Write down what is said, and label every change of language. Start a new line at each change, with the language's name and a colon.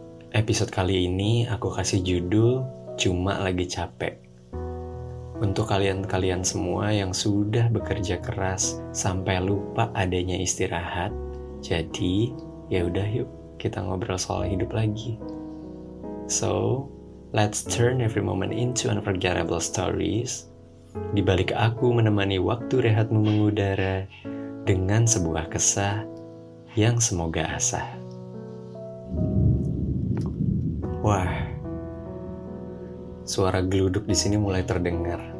Indonesian: Episode kali ini aku kasih judul Cuma Lagi Capek. Untuk kalian-kalian semua yang sudah bekerja keras sampai lupa adanya istirahat, jadi ya udah yuk kita ngobrol soal hidup lagi.
English: So, let's turn every moment into unforgettable stories.
Indonesian: Di balik aku menemani waktu rehatmu mengudara dengan sebuah kesah yang semoga asah. Wah, suara geluduk di sini mulai terdengar.